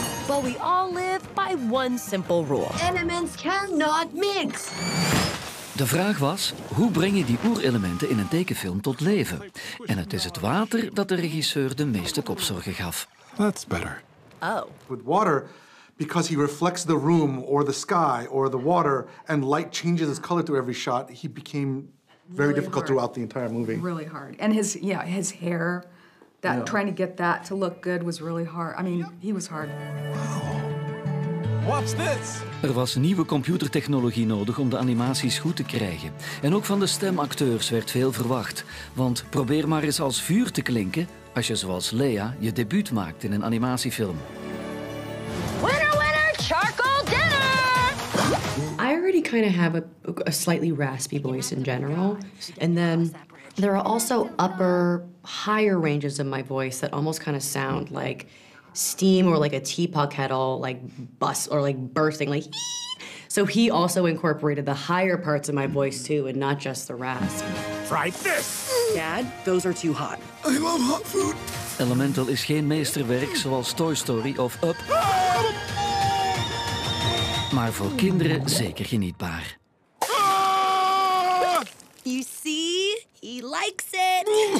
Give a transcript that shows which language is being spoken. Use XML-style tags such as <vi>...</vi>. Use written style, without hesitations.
<en>But we all live by one simple rule. Elements cannot mix.</en> <nl>De vraag was, hoe breng je die oerelementen in een tekenfilm tot leven? En het is het water dat de regisseur de meeste kopzorgen gaf.</nl> <en>That's better. Oh. With water, because he reflects the room or the sky or the water and light changes his color through every shot, he became very really difficult hard. Throughout the entire movie. Really hard. And his hair, that yeah. Trying to get that to look good was really hard. I mean, he was hard. Watch this.</en> <nl>Er was nieuwe computertechnologie nodig om de animaties goed te krijgen. En ook van de stemacteurs werd veel verwacht. Want probeer maar eens als vuur te klinken als je zoals Leia je debuut maakt in een animatiefilm.</nl> <en>Winner, winner, charcoal dinner! I already kind of have a slightly raspy voice in general. And then there are also upper, higher ranges of my voice that almost kind of sound like steam or like a teapot kettle like bust or like bursting like so he also incorporated the higher parts of my voice too and not just the rasp. Try this. Dad, those are too hot. I love hot food.</en> <nl>Elemental is geen meesterwerk zoals Toy Story of Up. Maar voor kinderen zeker genietbaar.</nl> <en>You see? He likes it.</en>